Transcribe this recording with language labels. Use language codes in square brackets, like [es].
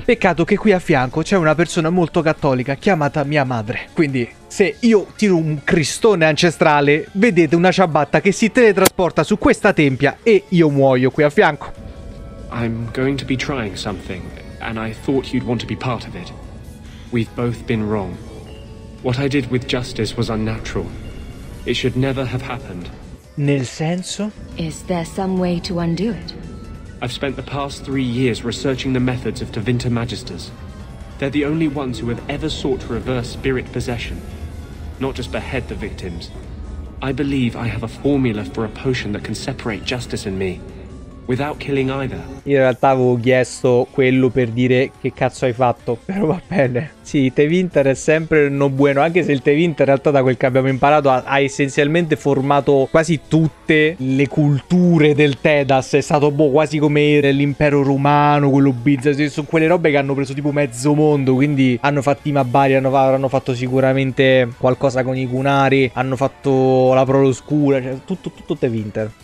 [it] Peccato che qui a fianco c'è una persona molto cattolica chiamata mia madre. Quindi, se io tiro un cristone ancestrale, vedete una ciabatta che si teletrasporta su questa tempia e io muoio qui a fianco. [en] I'm going to be trying something, and I thought you'd want to be part of it. We've both been wrong. What I did with justice was unnatural. It should never have happened. [it] Nel senso? [en] Is there some way to undo it? I've spent the past 3 years researching the methods of Tevinter Magisters. They're the only ones who have ever sought to reverse spirit possession. Not just behead the victims. I believe I have a formula for a potion that can separate justice and me. Without killing either. [it] Io in realtà avevo chiesto quello per dire che cazzo hai fatto, però va bene. Sì, Tevinter è sempre [es] no bueno, [it] anche se il Tevinter in realtà da quel che abbiamo imparato ha essenzialmente formato quasi tutte le culture del Tedas, è stato boh, quasi come l'impero romano, quello bizzarro, sono quelle robe che hanno preso tipo mezzo mondo, quindi hanno fatto i Mabari, hanno fatto sicuramente qualcosa con i Gunari, hanno fatto la Proloscura, cioè tutto Tevinter.